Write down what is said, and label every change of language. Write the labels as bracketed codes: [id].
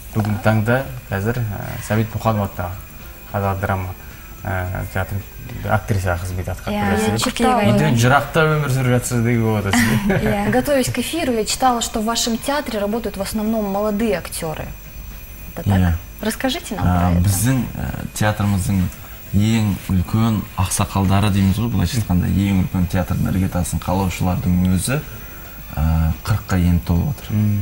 [kk] Бүгін таңда қазір Сәбит Мұқанова қазақ драма театр актриса қызмет атқарып жүрсіз. Өмір сүріп жатсыз деген болады сізге. [ru] Готовясь к эфиру, я читала, что в вашем театре работают в основном молодые актеры. Расскажите нам про это. [kk] Біздің театрымыздың ең үлкен ақсақалдары дейміз ғой, былайша айтқанда ең үлкен театрдың іргетасын қалаушылардың өзі 40-қа енді толып отыр.